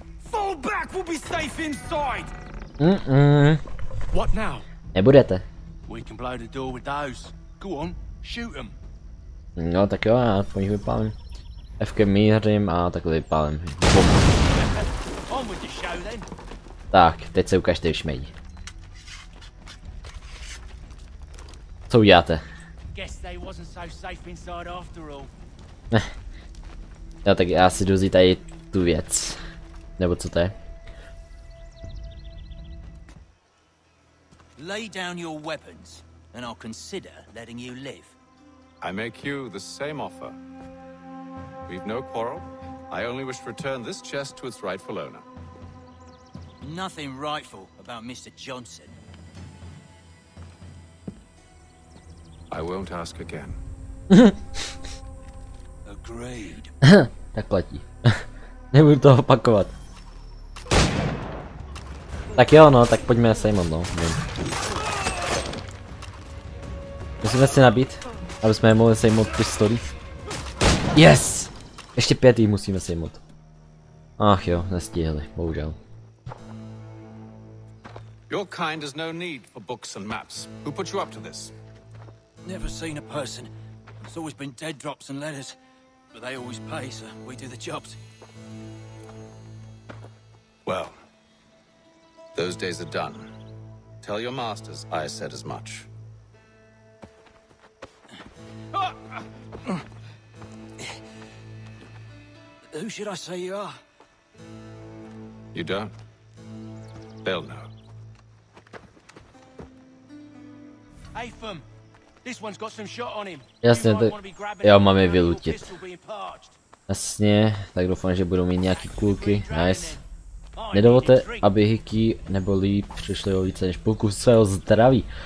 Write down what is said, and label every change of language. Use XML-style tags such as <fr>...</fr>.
<en>Fall back, we'll be safe inside. What now?</en> <cs>Nebudete.</cs> <en>We can blow the door with those. Go on, shoot them.</en> <cs>No, tak jo, já po nich vypálím. F-ky mířím a takhle vypálím.</cs> <en>On with the show then.</en> <cs>Tak, teď se ukážte v šmejdi. Co uděláte?</cs> <en>Guess they wasn't so safe inside after all.</en> <cs>Já, tak já si jdu vzít tady tu věc. Nebo co to je?</cs> <en>Lay down your weapons, and I'll consider letting you live. I make you the same offer. We've no quarrel. I only wish to return this chest to its rightful owner. Nothing rightful about Mr. Johnson. I won't ask again. Agreed.</en> <cs>Tak platí. Nebudu to opakovat. Tak jo, no, tak pojďme sejmout, no. Musíme si nabít, aby jsme mohli sejmout pistoli. Yes! Ještě pět jich musíme sejmout. Ach jo, nestihli, bohužel.</cs> <en>Your kind has no need for books and maps. Who put you up to this? Never seen a person. It's always been dead drops and letters. But they always pay, so we do the jobs. Well, those days are done. Tell your masters I said as much. Who should I say you are? You don't. They'll know. Afem. This one's got some shot on him.</en> <cs>Jasně, tak jo, mám je vylutit. Jasně, tak doufám, že budou mít nějaký kulky. Nice. Nedovolte, aby Hiki nebo Lee přišli o více než půlku svého zdraví.</cs>